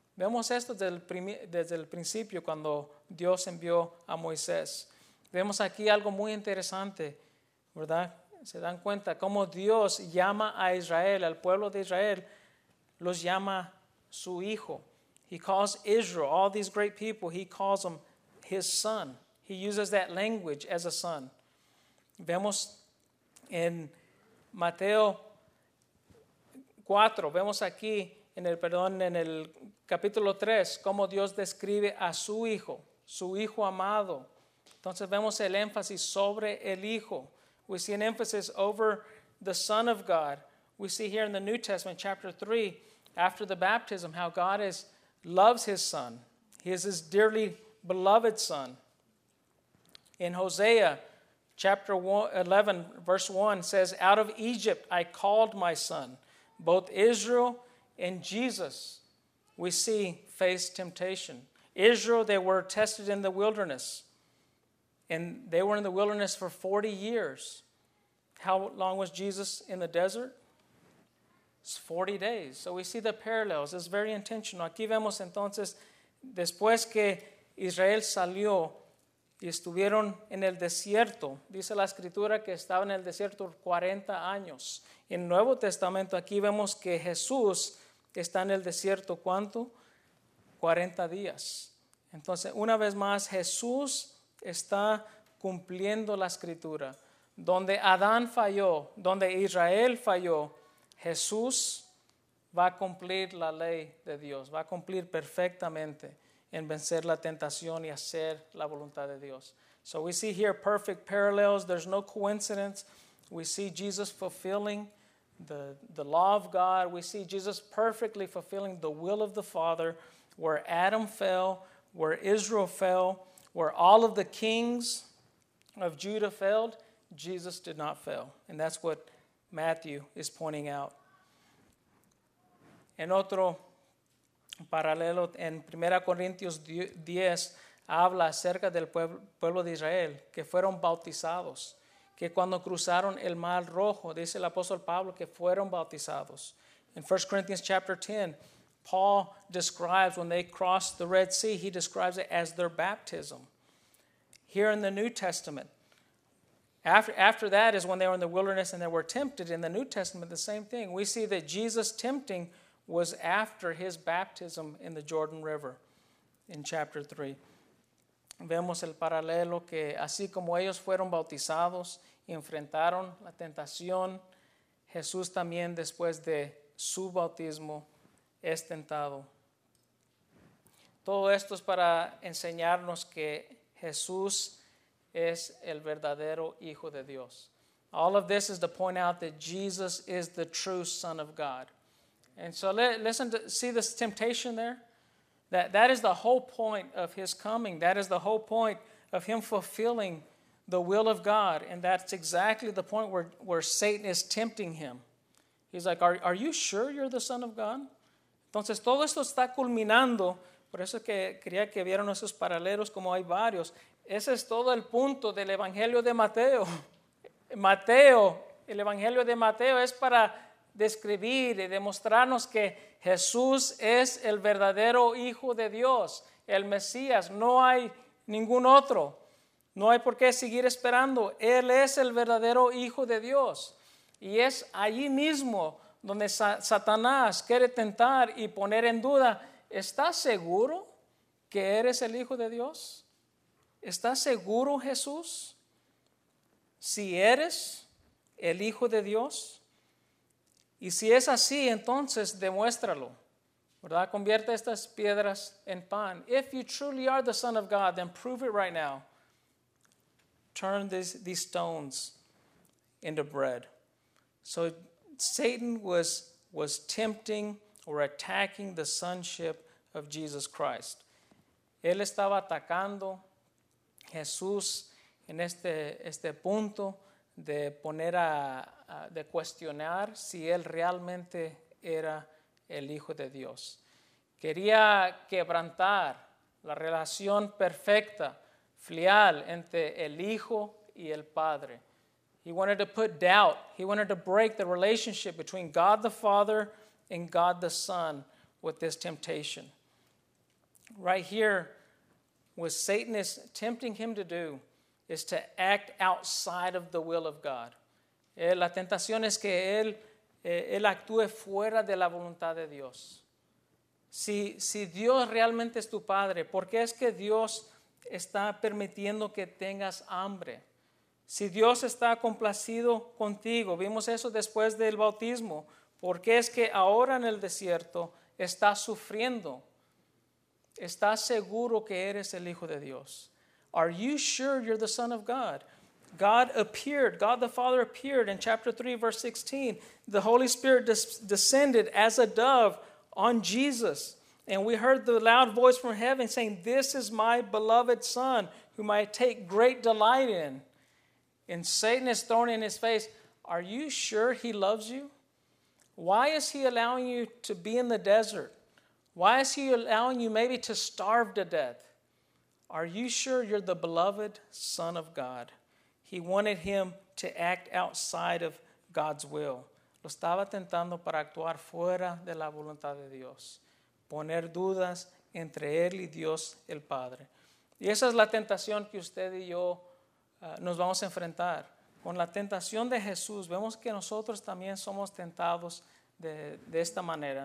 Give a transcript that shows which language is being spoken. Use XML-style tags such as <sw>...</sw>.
<es>Vemos esto desde el principio cuando Dios envió a Moisés. Vemos aquí algo muy interesante, ¿verdad? Se dan cuenta cómo Dios llama a Israel, al pueblo de Israel, los llama su hijo.</es> <en>He calls Israel, all these great people, he calls them his son. He uses that language as a son.</en> <es>Vemos en Mateo 4, vemos aquí en el capítulo 3, cómo Dios describe a su hijo amado. Entonces vemos el énfasis sobre el hijo.</es> <en>We see an emphasis over the Son of God. We see here in the New Testament, chapter 3, after the baptism, how God loves his son. He is his dearly beloved son. In Hosea, chapter 11, verse 1 says, out of Egypt I called my son, both Israel and Jesus we see face temptation. Israel, they were tested in the wilderness. And they were in the wilderness for 40 years. How long was Jesus in the desert? It's 40 days. So we see the parallels. It's very intentional.</en> <es>Aquí vemos entonces, después que Israel salió y estuvieron en el desierto, dice la escritura que estaban en el desierto 40 años. En Nuevo Testamento, aquí vemos que Jesús está en el desierto, ¿cuánto? 40 días. Entonces, una vez más, Jesús está cumpliendo la escritura. Donde Adán falló, donde Israel falló, Jesús va a cumplir la ley de Dios, va a cumplir perfectamente en vencer la tentación y hacer la voluntad de Dios.</es> <en>So we see here perfect parallels. There's no coincidence. We see Jesus fulfilling the law of God. We see Jesus perfectly fulfilling the will of the Father, where Adam fell, where Israel fell, where all of the kings of Judah failed. Jesus did not fail. And that's what Matthew is pointing out.</en> <es>En otro paralelo, en 1 Corintios 10, habla acerca del pueblo de Israel, que fueron bautizados, que cuando cruzaron el Mar Rojo, dice el apóstol Pablo, que fueron bautizados.</es> <en>In 1 Corinthians chapter 10, Paul describes when they crossed the Red Sea, he describes it as their baptism. Here in the New Testament, after that is when they were in the wilderness and they were tempted. In the New Testament, the same thing. We see that Jesus tempting was after his baptism in the Jordan River in chapter 3.</en> <es>Vemos el paralelo que así como ellos fueron bautizados, enfrentaron la tentación, Jesús también después de su bautismo es tentado. Todo esto es para enseñarnos que Jesús es el verdadero Hijo de Dios.</es> <en>All of this is to point out that Jesus is the true Son of God. And so listen to see this temptation there. That is the whole point of his coming. That is the whole point of him fulfilling the will of God. And that's exactly the point where Satan is tempting him. He's like, are you sure you're the Son of God?</en> <es>Entonces, todo esto está culminando. Por eso que quería que vieran esos paralelos como hay varios. Ese es todo el punto del Evangelio de Mateo. Mateo, el Evangelio de Mateo es para describir y demostrarnos que Jesús es el verdadero Hijo de Dios, el Mesías. No hay ningún otro. No hay por qué seguir esperando. Él es el verdadero Hijo de Dios. Y es allí mismo donde Satanás quiere tentar y poner en duda, ¿estás seguro que eres el Hijo de Dios? ¿Estás seguro, Jesús? Si eres el Hijo de Dios. Y si es así, entonces demuéstralo, ¿verdad? Convierte estas piedras en pan.</es> <en>If you truly are the Son of God, then prove it right now. Turn these stones into bread. So Satan was tempting or attacking the sonship of Jesus Christ.</en> <es>Él estaba atacando Jesús en este punto de poner de cuestionar si él realmente era el Hijo de Dios. Quería quebrantar la relación perfecta, filial, entre el Hijo y el Padre.</es> <en>He wanted to put doubt. He wanted to break the relationship between God the Father and God the Son with this temptation. Right here, what Satan is tempting him to do is to act outside of the will of God.</en> <es>La tentación es que él actúe fuera de la voluntad de Dios. Si Dios realmente es tu padre, ¿por qué es que Dios está permitiendo que tengas hambre? Si Dios está complacido contigo, vimos eso después del bautismo, ¿por qué es que ahora en el desierto estás sufriendo? ¿Estás seguro que eres el Hijo de Dios?</es> <en>Are you sure you're the Son of God? God appeared, God the Father appeared in chapter 3, verse 16. The Holy Spirit descended as a dove on Jesus. And we heard the loud voice from heaven saying, this is my beloved Son, whom I take great delight in. And Satan is thrown in his face. Are you sure he loves you? Why is he allowing you to be in the desert? Why is he allowing you maybe to starve to death? Are you sure you're the beloved Son of God? He wanted him to act outside of God's will.</en> <es>Lo estaba tentando para actuar fuera de la voluntad de Dios. Poner dudas entre él y Dios el Padre. Y esa es la tentación que usted y yo nos vamos a enfrentar. Con la tentación de Jesús, vemos que nosotros también somos tentados de esta manera.</es>